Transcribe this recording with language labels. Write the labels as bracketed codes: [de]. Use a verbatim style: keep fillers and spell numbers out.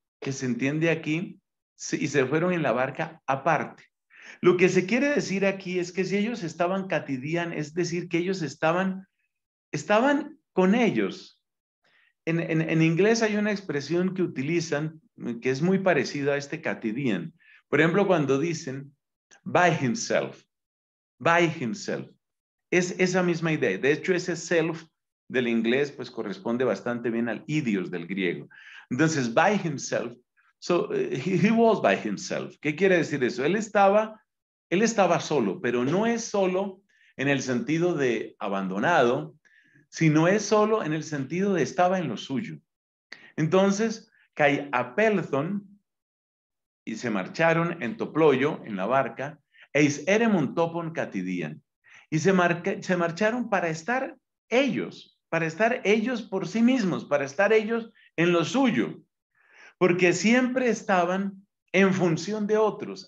[es] Que se entiende aquí, y se fueron en la barca aparte. Lo que se quiere decir aquí es que si ellos estaban katidían, es decir, que ellos estaban, estaban con ellos. En, en, en inglés hay una expresión que utilizan que es muy parecida a este katidían. Por ejemplo, cuando dicen, [en] by himself, by himself. [es] Es esa misma idea. De hecho, ese [en] self [es] del inglés pues corresponde bastante bien al idios del griego. Entonces, [en] by himself, so he, he was by himself. [es] ¿Qué quiere decir eso? Él estaba, él estaba solo, pero no es solo en el sentido de abandonado, sino es solo en el sentido de estaba en lo suyo. Entonces, [el] kai apelthon, [es] y se marcharon en toployo, en la barca, [el] eis eremon topon katidían, [es] y se, marca, se marcharon para estar ellos, para estar ellos por sí mismos, para estar ellos en lo suyo, porque siempre estaban en función de otros.